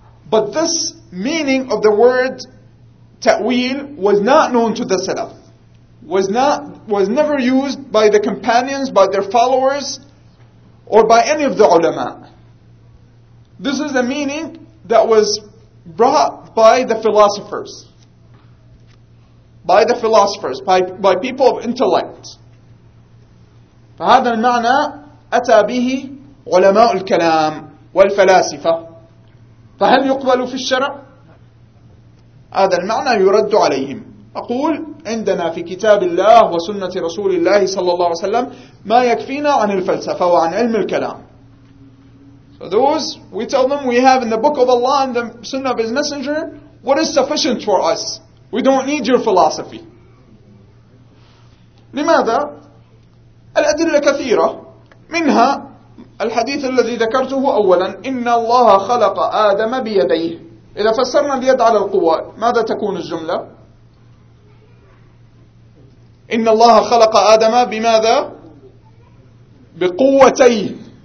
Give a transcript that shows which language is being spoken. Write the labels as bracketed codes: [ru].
[en] But this meaning of the word ta'wil was not known to the salaf, was never used by the companions, by their followers, or by any of the ulama. This is a meaning that was brought by the philosophers, by the philosophers, by people of intellect. [ar] فهذا المعنى أتى به علماء الكلام والفلاسفة. فهل يقبل في الشرع؟ هذا المعنى يرد عليهم. أقول عندنا في كتاب الله وسنة رسول الله صلى الله عليه وسلم ما يكفينا عن الفلسفة وعن علم الكلام. [en] So those, we tell them, we have in the book of Allah and the sunnah of his messenger what is sufficient for us. We don't need your philosophy. [ar] لماذا؟ الأدلة كثيرة, منها الحديث الذي ذكرته أولا إن الله خلق آدم بيديه. إذا فسرنا اليد على القوة ماذا تكون الجملة؟ إن الله خلق آدم بماذا؟ بقوتيه.